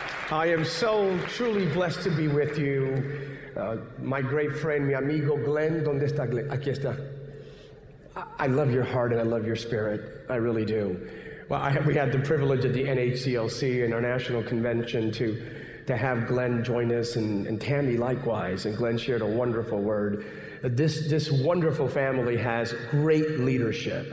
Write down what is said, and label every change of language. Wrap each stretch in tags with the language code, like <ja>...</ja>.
<en>I am so truly blessed to be with you. My great friend,</en> <es>mi amigo Glenn, ¿dónde está Glenn? Aquí está.</es> <en>I love your heart and I love your spirit. I really do. Well, we had the privilege at the NHCLC and our national convention to have Glenn join us and Tammy likewise. And Glenn shared a wonderful word. This wonderful family has great leadership.</en>